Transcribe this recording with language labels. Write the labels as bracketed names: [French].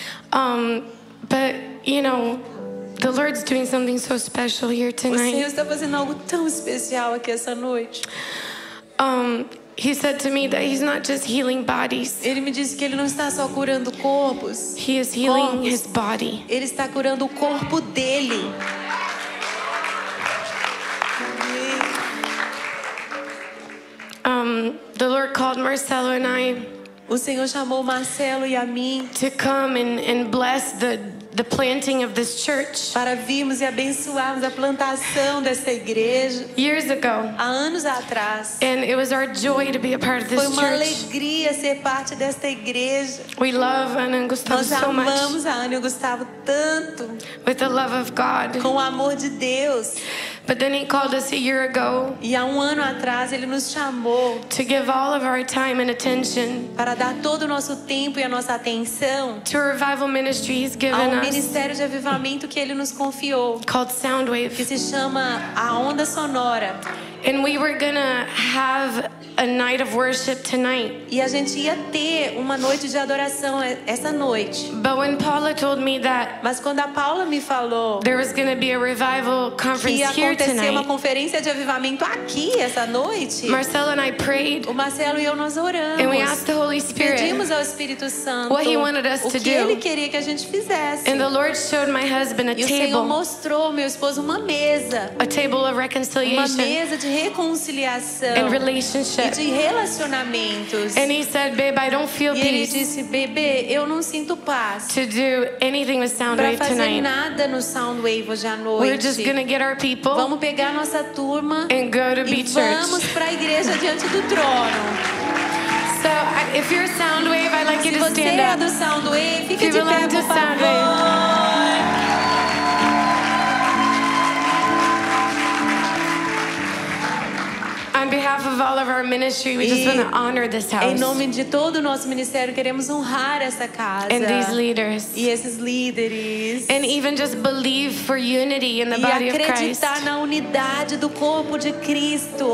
[English] But you know, the Lord's doing something so special here tonight. [Portuguese] O Senhor está fazendo algo tão especial aqui essa noite. [English] He said to me that he's not just healing bodies. [Portuguese] Ele me disse que ele não está só curando corpos. [English] He is healing corpos. His body. [Portuguese] Ele está curando o corpo dele. [English] The Lord called Marcelo and I. [Portuguese] O Senhor chamou Marcelo e a mim. [English] To come and bless the planting of this church. [Portuguese] Para virmos e abençoarmos a plantação dessa igreja. [English] Years ago. [Portuguese] Há anos atrás. [English] And it was our joy to be a part of this church. [Portuguese] Foi uma alegria ser parte desta igreja. [English] We love Ana and Gustavo so much. [Portuguese] Nós amamos a Ana e o Gustavo tanto. [English] With the love of God. [Portuguese] Com o amor de Deus. [English] But then he called us a year ago. [Portuguese] E há um ano atrás ele nos chamou. [English] To give all of our time and attention. [Portuguese] Para dar todo o nosso tempo e a nossa atenção. [English] To a revival ministry he's given [Portuguese] us. Ao ministério de avivamento que ele nos confiou. [English] Called Soundwave. [Portuguese] Que se chama a onda sonora. [English] And we were gonna have a night of worship tonight. [Portuguese] E a gente ia ter uma noite de adoração essa noite. [English] But when Paula told me that, [Portuguese] mas quando a Paula me falou, [English] there was gonna be a revival conference here tonight. [Portuguese] Que ia acontecer uma conferência de avivamento aqui essa noite. [English] Marcelo and I prayed. [Portuguese] O Marcelo e eu nós oramos. [English] And we asked the Holy Spirit. [Portuguese] Pedimos ao Espírito Santo. [English] What he wanted us to do. [Portuguese] O que ele queria que a gente fizesse. [English] And the Lord showed my husband a table. [Portuguese] E o Senhor mostrou ao meu esposo uma mesa. [English] A table of reconciliation. [Portuguese] Uma mesa de reconciliação. [English] And relationship. [Portuguese] De relacionamentos. [English] And he said, "Babe, I don't feel [Portuguese] e [English] peace." [Portuguese] E ele disse, "Bebê, eu não sinto paz." [English] To do anything with Soundwave tonight. [Portuguese] Para fazer nada no Soundwave hoje à noite. [English] We're just gonna get our people. [Portuguese] Vamos pegar nossa turma. [English] And go to [Portuguese] e vamos para a Igreja Diante do Trono. [English] So, if you're Soundwave, I'd like [Portuguese] se [English] you to stand up. [Portuguese] Se você é do Soundwave, fique de pé, por favor. [English] Soundwave. On behalf of all of our ministry, we just want to honor this house. [Portuguese] Em nome de todo o nosso ministério, queremos honrar essa casa. [English] And these leaders. [Portuguese] E esses líderes. [English] And even just believe for unity in the [Portuguese] e [English] body of Christ. [Portuguese] E acreditar na unidade do corpo de Cristo.